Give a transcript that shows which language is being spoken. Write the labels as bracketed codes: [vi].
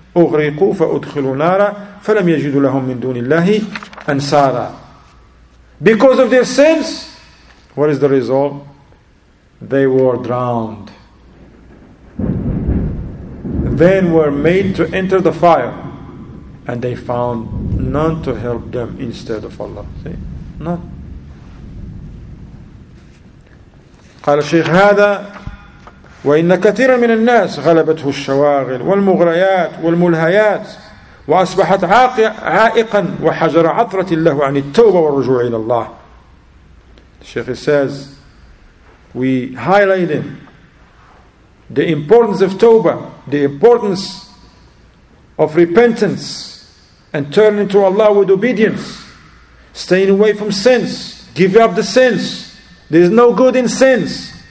[ar] أغرقوا فأدخلوا نارا فلم يجدوا لهم من دون الله أنصارا. [en] Because of their sins, what is the result? They were drowned. Then were made to enter the fire, and they found none to help them instead of Allah. See? None. [ar] قال الشيخ هذا وإن كثيرا من الناس غلبته الشواغل والمغريات والملهيات وأصبحت عائقا وحجر عثرة له عن التوبة والرجوع إلى الله. [en] The Sheikh says, we highlighted the importance of tawbah, the importance of repentance and turning to Allah with obedience, staying away from sins, give up the sins. There is no good in sins.